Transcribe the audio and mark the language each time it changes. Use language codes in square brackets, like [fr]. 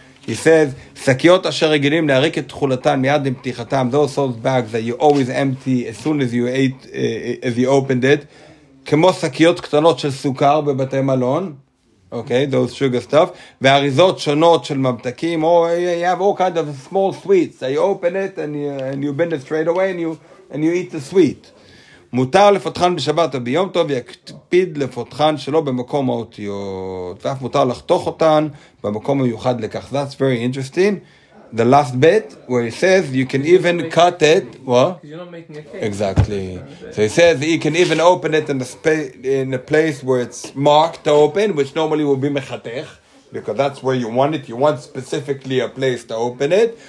[en] He says, "Sakiot asher regilim le'arik et tchulatan miyad imtichatam." Those bags that you always empty as soon as you opened it, כמו סקיות קטנות של סוכר בבתי מלון, אוקיי, okay, those sugar stuff, ואריזות שונות של ממתקים, או you have all kind of small sweets, so you open it and you bend it straight away and you eat the sweet. [he] מותר לפותחן בשבת או ביום טוב, יקפיד לפותחן שלא במקום האותיות, ואף מותר לחתוך אותן במקום מיוחד לכך. [en] That's very interesting. The last bit, where he says you can even cut it. What? Because you're not making a cake. Exactly. So he says that you can even open it in a place where it's marked to open, which normally will be mechatech, because that's where you want it. You want specifically a place to open it.